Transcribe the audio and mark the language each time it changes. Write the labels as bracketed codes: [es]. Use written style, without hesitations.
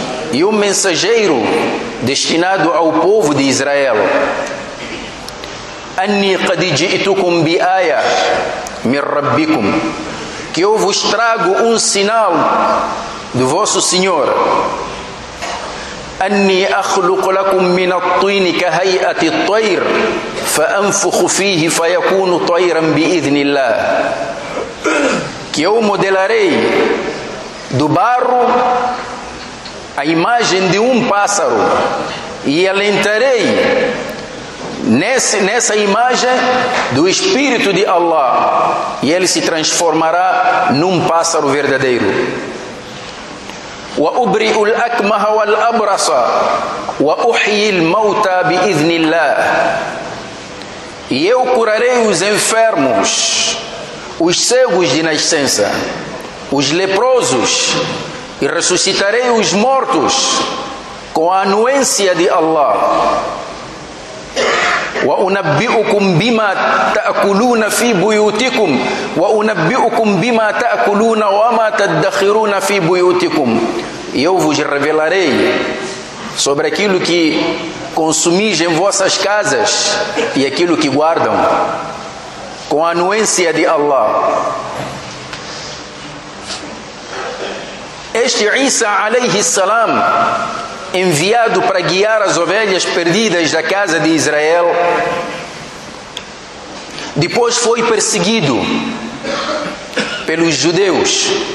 [pt] E um mensageiro destinado ao povo de Israel. [ar] Anni qad ji'tukum bi aya min rabbikum. [pt] Que eu vos trago um sinal do vosso Senhor. [ar] أني أخلق لكم من الطين كهيئة الطير فأنفخ فيه فيكون طيرا بإذن الله. [pt] Que eu modelarei do barro a imagem de um pássaro, e alentarei nessa imagem do Espírito de Allah, e ele se transformará num pássaro verdadeiro. [ar] وأبرئ الأكمه والأبرص وأحيي الموتى بإذن الله. [pt] E eu curarei os enfermos, os cegos de nascença, os leprosos, e ressuscitarei os mortos com a anuência de Allah. [ar] وأنبئكم بما تأكلون في بيوتكم وأنبئكم بما تأكلون وما تدخرون في بيوتكم. [pt] E eu vos revelarei sobre aquilo que consumis em vossas casas e aquilo que guardam, com a anuência de Allah. Este Isa alayhi salam, enviado para guiar as ovelhas perdidas da casa de Israel, depois foi perseguido pelos judeus.